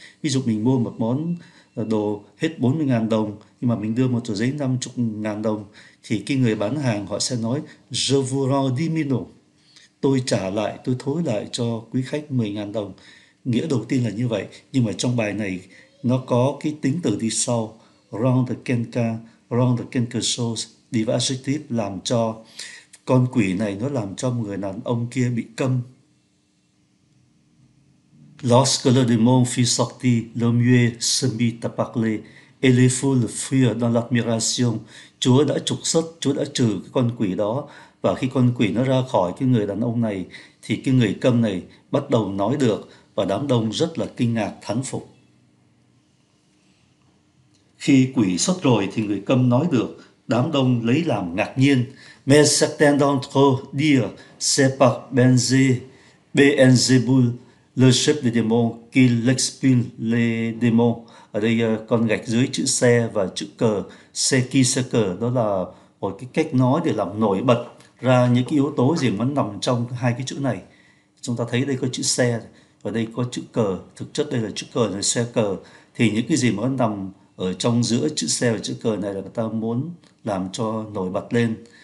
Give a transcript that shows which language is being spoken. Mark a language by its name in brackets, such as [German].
[Vietnamese] Ví dụ mình mua một món đồ hết 40.000 đồng, nhưng mà mình đưa một tờ giấy 50.000 đồng, thì cái người bán hàng họ sẽ nói [French] je vous rends, [Vietnamese] tôi trả lại, tôi thối lại cho quý khách 10.000 đồng. Nghĩa đầu tiên là như vậy, nhưng mà trong bài này nó có cái tính từ đi sau, [French] rendre quelqu'un, rendre quelque chose, [Vietnamese] đi với adjective làm cho. Con quỷ này nó làm cho một người đàn ông kia bị câm. [French] Lorsque le démon fut sorti, l'homme muet se mit à parler, et les foules furent dans l'admiration. [Vietnamese] Chúa đã trục xuất, Chúa đã trừ cái con quỷ đó. Và khi con quỷ nó ra khỏi cái người đàn ông này, thì cái người câm này bắt đầu nói được và đám đông rất là kinh ngạc, thán phục. Khi quỷ xuất rồi thì người câm nói được đám đông lấy làm ngạc nhiên. [French] Mais certains d'entre eux dirent, c'est par Benzé, Beelzebul, le chef des démons, qu'il expulse les démons. [Vietnamese] Ở đây con gạch dưới chữ xe và chữ cờ, xe kia xe cờ, đó là một cái cách nói để làm nổi bật ra những cái yếu tố gì mà nằm trong hai cái chữ này. Chúng ta thấy đây có chữ xe và đây có chữ cờ, thực chất đây là chữ cờ là xe cờ, thì những cái gì mà nằm ở trong giữa chữ xe và chữ cờ này là người ta muốn làm cho nổi bật lên.